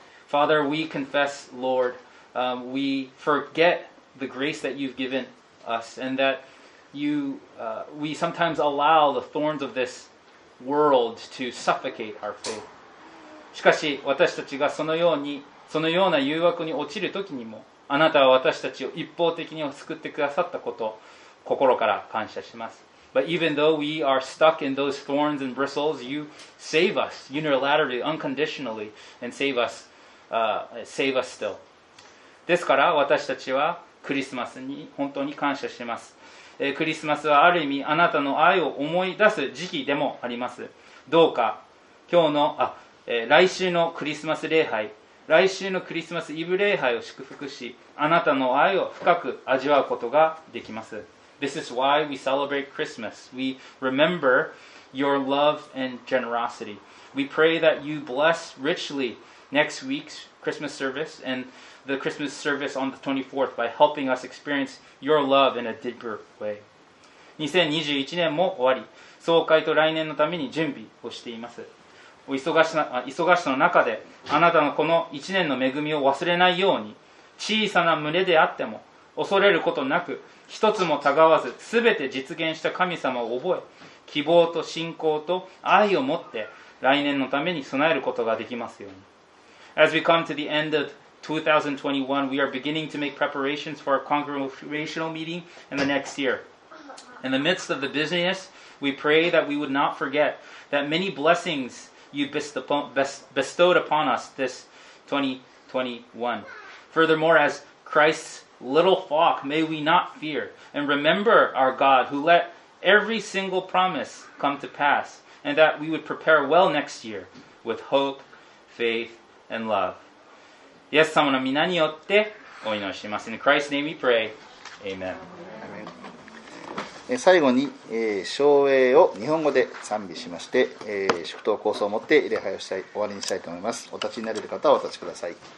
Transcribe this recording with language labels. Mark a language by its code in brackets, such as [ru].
[en] Father, we confess, Lord, we forget the grace that you've given us and that we sometimes allow the thorns of this world to suffocate our faith. [ja] しかし私たちがそのような誘惑に落ちるときにもあなたは私たちを一方的に救ってくださったことを心から感謝します。 But even though we are stuck in those thorns and bristles, you save us unilaterally, unconditionally, and save us still. ですから私たちはクリスマスに本当に感謝します。クリスマスはある意味あなたの愛を思い出す時期でもあります。どうか今日の来週のクリスマス礼拝、来週のクリスマスイブ礼拝を祝福し、あなたの愛を深く味わうことができます。 [en] This is why we celebrate Christmas. We remember your love and generosity. We pray that you bless richly next week's Christmas service and the Christmas service on the 24th by helping us experience your love in a deeper way. [ja] 2021年も終わり、総会と来年のために準備をしています。忙しさの中であなたのこの一年の恵みを忘れないように、小さな群れであっても恐れることなく一つもたがわず全て実現した神様を覚え、希望と信仰と愛を持って来年のために備えることができますように。 [en] As we come to the end of 2021, we are beginning to make preparations for our congregational meeting in the next year. In the midst of the busyness, we pray that we would not forget that many blessingsYou bestowed upon us this 2021. Furthermore, as Christ's little flock, may we not fear and remember our God who let every single promise come to pass, and that we would prepare well next year with hope, faith, and love. [ja] イエス様の御名によってお祈りします。 [en] In Christ's name we pray. Amen. [ja] 最後に、唱詠を日本語で賛美しまして、祝祷構想を持って礼拝をしたい、終わりにしたいと思います。お立ちになれる方はお立ちください。